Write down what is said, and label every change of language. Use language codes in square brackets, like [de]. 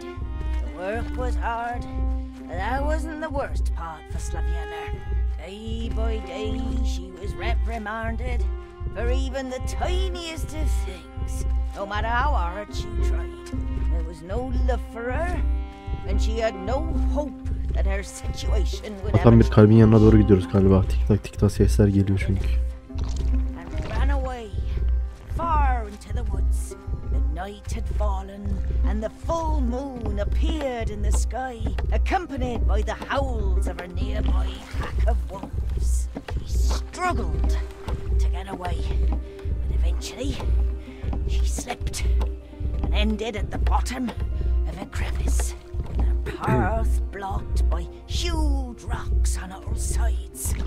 [en] The work was hard, but that wasn't the worst part for Slaviana. Day by day, she was reprimanded for even the tiniest of things. No matter how hard she tried, there was no love for her, and she had no hope that her situation would ever [tr] change. Bir kalbin yanına doğru gidiyoruz galiba. Tik tak tik tak sesler geliyor çünkü. [en] And ran away, far into the woods. The night had fallen, and the full moon appeared in the sky, accompanied by the howls of a nearby pack of wolves. She struggled to get away, and eventually she slipped and ended at the bottom of a crevice, her path blocked by huge rocks on all sides.